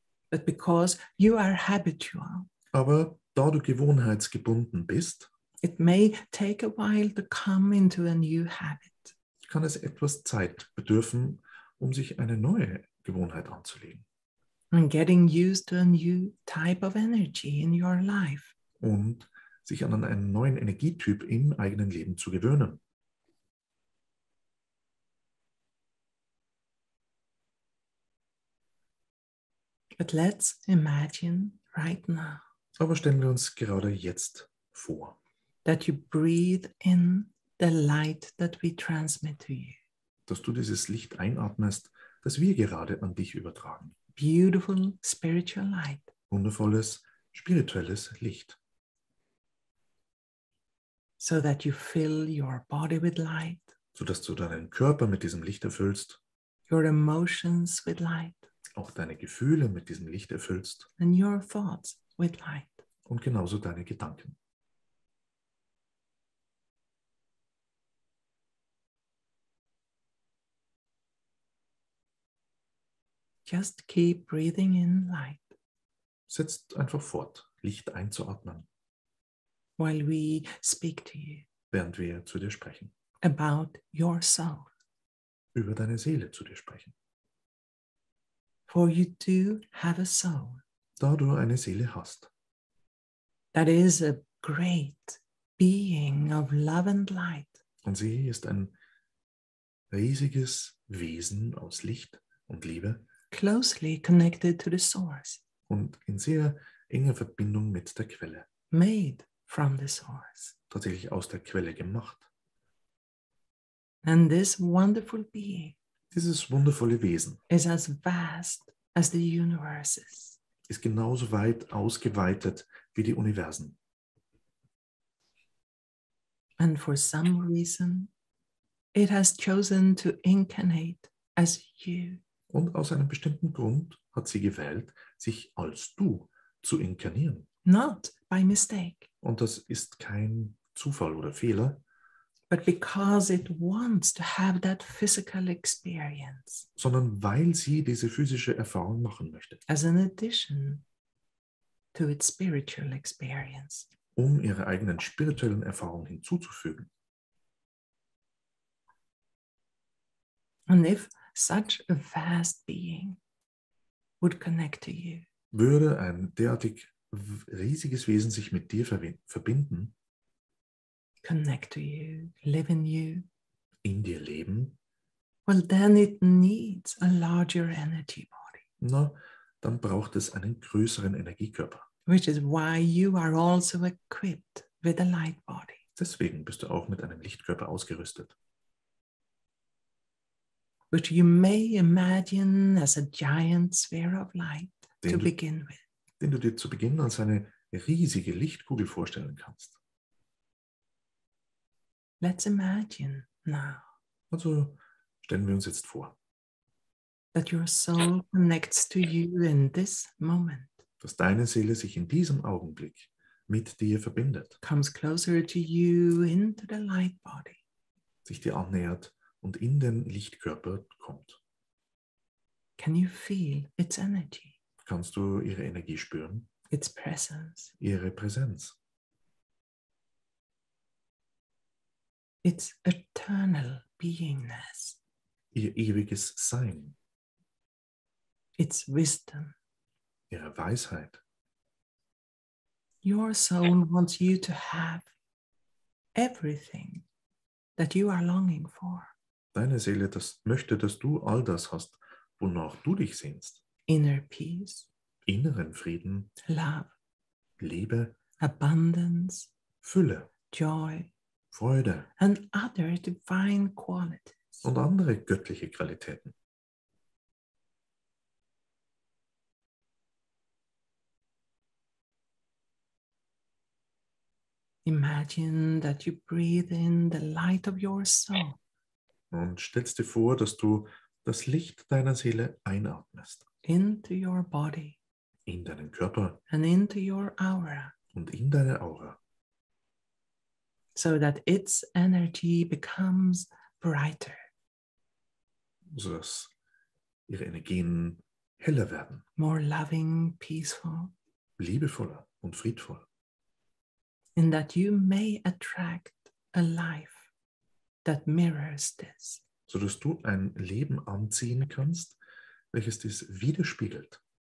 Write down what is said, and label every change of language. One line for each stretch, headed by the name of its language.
English: But because you are habitual.
German: Aber da du gewohnheitsgebunden bist,
English: it may take a while to come into a new habit.
German: Kann es etwas Zeit bedürfen, um sich eine neue Gewohnheit anzulegen.
English: And getting used to a new type of energy in your life.
German: Und sich an einen neuen Energietyp im eigenen Leben zu gewöhnen.
English: But let's imagine right now.
German: Aber stellen wir uns gerade jetzt vor.
English: That you breathe in the light that we transmit to you.
German: Dass du dieses Licht einatmest, das wir gerade an dich übertragen.
English: Beautiful spiritual light.
German: Wundervolles spirituelles Licht.
English: So that you fill your body with light.
German: So dass du deinen Körper mit diesem Licht erfüllst.
English: Your emotions with light.
German: Auch deine Gefühle mit diesem Licht erfüllst.
English: And your thoughts with light.
German: Und genauso deine Gedanken.
English: Just keep breathing in light.
German: Setzt einfach fort, Licht einzuatmen.
English: While we speak to you.
German: Während wir zu dir sprechen.
English: About your soul.
German: Über deine Seele zu dir sprechen.
English: For you do have a soul.
German: Da du eine Seele hast.
English: That is a great being of love and light.
German: Und sie ist ein riesiges Wesen aus Licht und Liebe.
English: Closely connected to the source.
German: Und in sehr enger Verbindung mit der Quelle.
English: Made from the source.
German: Tatsächlich aus der Quelle gemacht.
English: And this wonderful being.
German: Dieses wundervolle Wesen
English: is as vast as the universes.
German: Ist genauso weit ausgeweitet wie die Universen.
English: And for some reason, it has chosen to incarnate as you.
German: Und aus einem bestimmten Grund hat sie gewählt, sich als du zu inkarnieren.
English: Not by mistake.
German: Und das ist kein Zufall oder Fehler.
English: But because it wants to have that physical experience.
German: Sondern weil sie diese physische Erfahrung machen möchte.
English: As an addition to its spiritual experience.
German: Um ihre eigenen spirituellen Erfahrungen hinzuzufügen.
English: And if such a vast being would connect to you.
German: Würde ein derartig riesiges Wesen sich mit dir verbinden.
English: Connect to you, live in you.
German: In dir leben.
English: Well, then it needs a larger energy body.
German: Na, dann braucht es einen größeren Energiekörper.
English: Which is why you are also equipped with a light body.
German: Deswegen bist du auch mit einem Lichtkörper ausgerüstet.
English: Which you may imagine as a giant sphere of light to begin with.
German: Den du dir zu Beginn als eine riesige Lichtkugel vorstellen kannst.
English: Let's imagine now.
German: Also stellen wir uns jetzt vor.
English: That your soul connects to you in this moment.
German: Dass deine Seele sich in diesem Augenblick mit dir verbindet.
English: Comes closer to you into the light body.
German: Sich dir annähert und in den Lichtkörper kommt.
English: Can you feel its energy?
German: kannst du ihre Energie spüren.
English: Its presence.
German: Ihre Präsenz.
English: Its eternal beingness.
German: Ihr ewiges Sein.
English: Its wisdom.
German: Ihre Weisheit.
English: Your soul wants you to have everything that you are longing for.
German: Deine Seele das möchte, dass du all das hast, wonach du dich sehnst.
English: Inner peace.
German: Inneren Frieden.
English: Love.
German: Liebe.
English: Abundance.
German: Fülle.
English: Joy.
German: Freude.
English: And other divine qualities.
German: Und andere göttliche Qualitäten.
English: Imagine that you breathe in the light of your soul.
German: Und stellst dir vor, dass du das Licht deiner Seele einatmest.
English: Into your body.
German: In deinen Körper.
English: And into your aura.
German: Und in deine Aura.
English: So that its energy becomes brighter.
German: So dass ihre Energien heller werden.
English: More loving, peaceful.
German: Liebevoller und friedvoll.
English: In that you may attract a life that mirrors this.
German: So dass du ein Leben anziehen kannst, welches dies widerspiegelt.